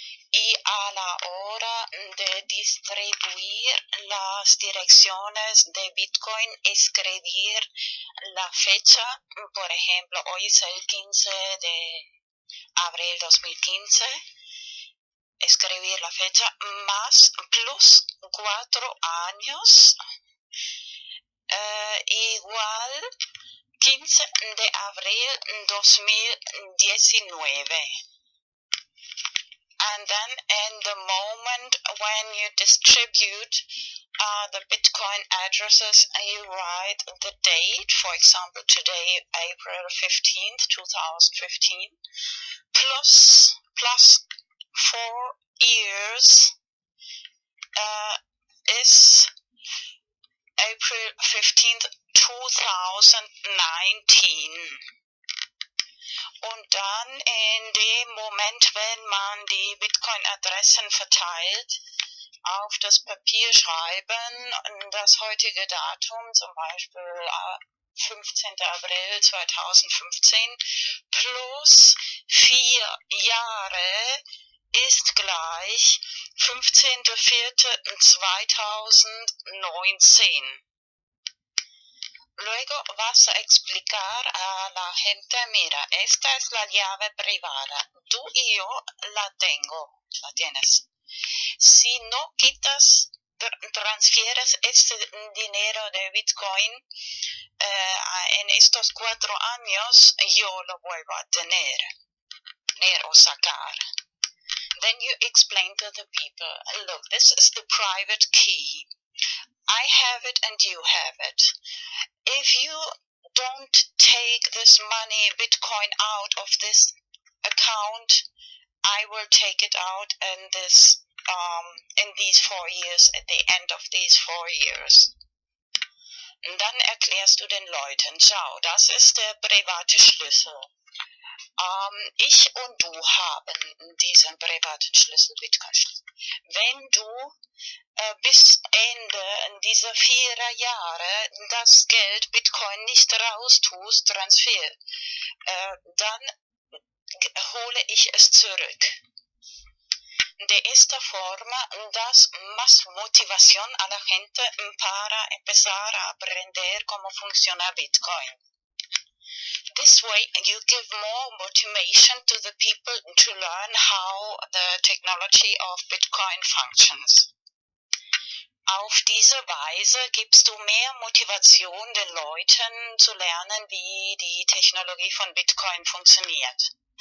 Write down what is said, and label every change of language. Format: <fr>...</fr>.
<es>Y a la hora de distribuir las direcciones de Bitcoin, escribir la fecha, por ejemplo, hoy es el 15 de abril 2015, escribir la fecha más plus 4 años, igual 15 de abril 2019.</es> <en>And then in the moment when you distribute the Bitcoin addresses, you write the date, for example, today, April 15th, 2015, plus 4 years is April 15th, 2019.</en> <de>Und dann in dem Moment, wenn man die Bitcoin-Adressen verteilt, auf das Papier schreiben, das heutige Datum, zum Beispiel 15. April 2015, plus 4 Jahre ist gleich 15.04.2019.</de> <es>Luego vas a explicar a la gente, mira, esta es la llave privada. Tú y yo la tengo, la tienes. Si no quitas, transfieres este dinero de Bitcoin, en estos 4 años, yo lo vuelvo a tener o sacar.</es> <en>Then you explain to the people, look, this is the private key. I have it and you have it. If you don't take this money, Bitcoin, out of this account, I will take it out in this, in these 4 years, at the end of these 4 years.</en> <de>Und dann erklärst du den Leuten, schau, das ist der private Schlüssel. Ich und du haben diesen privaten Schlüssel, Bitcoin-Schlüssel. Wenn du bis Ende dieser 4 Jahre das Geld Bitcoin nicht raustust, Transfer, dann hole ich es zurück.</de> <es>De esta forma das más motivación a la gente para empezar a aprender cómo funciona Bitcoin.</es> <en>this way you give more motivation to the people to learn how the technology of Bitcoin functions.</en> <de>Auf diese Weise gibst du mehr Motivation den Leuten zu lernen, wie die Technologie von Bitcoin funktioniert.</de>